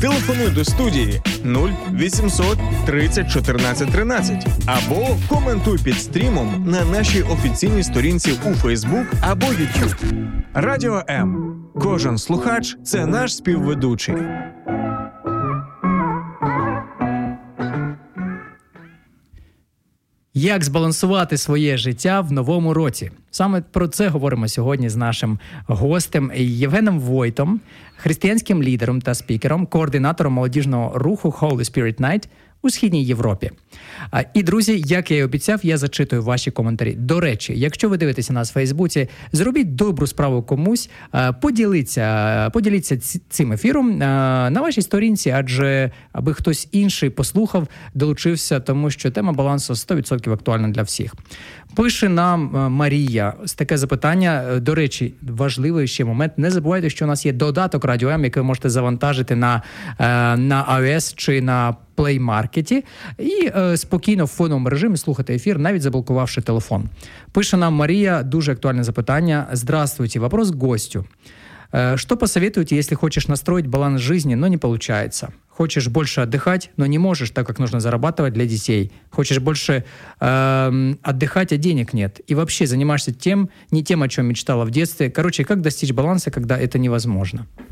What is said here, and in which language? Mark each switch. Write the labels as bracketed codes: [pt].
[uk] Телефонуй до студії 0800-30-14-13 або коментуй під стрімом на нашій офіційній сторінці у Фейсбук або Ютуб. Радіо М. Кожен слухач – це наш співведучий. Як збалансувати своє життя в новому році? Саме про це говоримо сьогодні з нашим гостем Євгеном Войтом, християнським лідером та спікером, координатором молодіжного руху Holy Spirit Night у Східній Європі. І, друзі, як я і обіцяв, я зачитую ваші коментарі. До речі, якщо ви дивитеся нас в Фейсбуці, зробіть добру справу комусь, поділіться цим ефіром на вашій сторінці, адже аби хтось інший послухав, долучився, тому що тема балансу 100% актуальна для всіх. Пише нам Марія з таке запитання. До речі, важливий ще момент. Не забувайте, що у нас є додаток Радіо М, який ви можете завантажити на iOS чи на Play Market і спокійно в фоновому режимі слухати ефір, навіть заблокувавши телефон. Пише нам Марія, дуже актуальне запитання. [ru] Здравствуйте, вопрос к гостю. Что посоветуете, если хочешь настроить баланс жизни, но не получается? Хочешь больше отдыхать, но не можешь, так как нужно зарабатывать для детей. Хочешь больше отдыхать, а денег нет. И вообще занимаешься тем, не тем, о чем мечтала в детстве. Короче, как достичь баланса, когда это невозможно?